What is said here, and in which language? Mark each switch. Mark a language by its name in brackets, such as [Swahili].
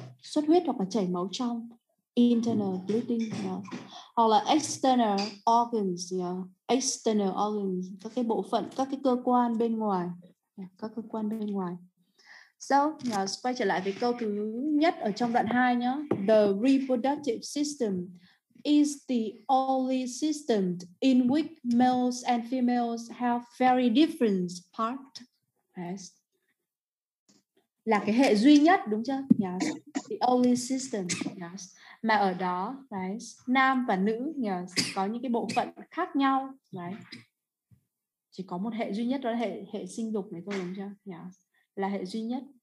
[Vietnamese] Xuất huyết hoặc là chảy máu trong, [English] internal bleeding, yeah. [Vietnamese] Hoặc là [English] external organs, yeah. External organs, [Vietnamese] các cái bộ phận, các cái cơ quan bên ngoài, yeah. Các cơ quan bên ngoài. So, yeah, quay trở lại với câu thứ nhất ở trong đoạn 2 nhá. [English] The reproductive system is the only system in which males and females have very different parts. Yes. [Vietnamese] Là cái hệ duy nhất, đúng chưa? Yes. [English] The only system. [Vietnamese] Yes. Mà ở đó, yes, nam và nữ, yes, có những cái bộ phận khác nhau. Yes. Chỉ có một hệ duy nhất, đó là hệ sinh dục này thôi, đúng chưa? Yes. Là hệ duy nhất.